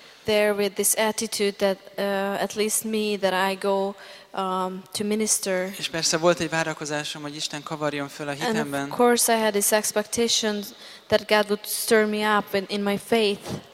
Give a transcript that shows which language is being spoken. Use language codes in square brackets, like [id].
[en] there with this attitude that at least me that I go to minister. [hu] És persze volt egy várakozásom, hogy Isten kavarjon föl a hitemben. [en] And of course I had this expectation that God would stir me up in my faith.